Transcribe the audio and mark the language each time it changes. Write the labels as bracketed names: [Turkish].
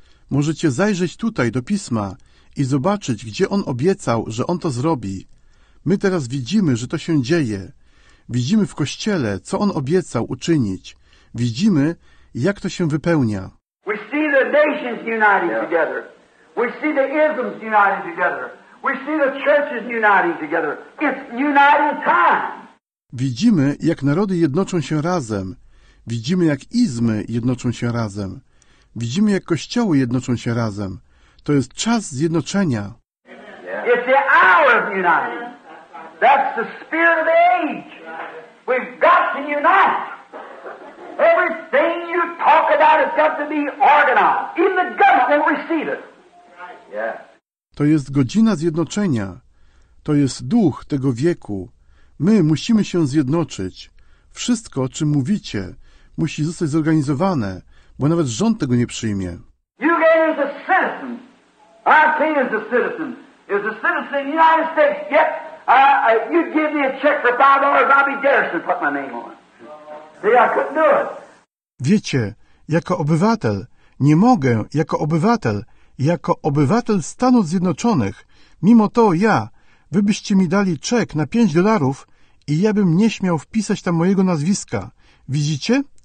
[Polish] Możecie zajrzeć tutaj do Pisma i zobaczyć, gdzie on obiecał, że on to zrobi. My teraz widzimy, że to się dzieje. Widzimy w Kościele, co on obiecał uczynić. Widzimy, jak to się wypełnia. [English] We see the nations uniting together. We see the isms uniting together. We see the churches uniting together. It's uniting time. [Polish] Widzimy, jak narody jednoczą się razem. Widzimy, jak izmy jednoczą się razem. Widzimy, jak kościoły jednoczą się razem. To jest czas zjednoczenia. [English] It's the hour of unity. That's the spirit of the age. We've got to unite. Everything you talk about has got to be organized. Even the government will receive it. [Polish] To jest godzina zjednoczenia. To jest duch tego wieku. My musimy się zjednoczyć. Wszystko, o czym mówicie, musi zostać zorganizowane, bo nawet rząd tego nie przyjmie. [English] You gain as a citizen. Our king is a citizen. Is a citizen of the United States. Yet, you give me a check for $5, I'll be Garrison, put my name on it. See, I couldn't do it. [Polish] Wiecie, jako obywatel, nie mogę, jako obywatel Stanów Zjednoczonych, mimo to ja, wy byście mi dali czek na $5 i ja bym nie śmiał wpisać tam mojego nazwiska. Widzicie?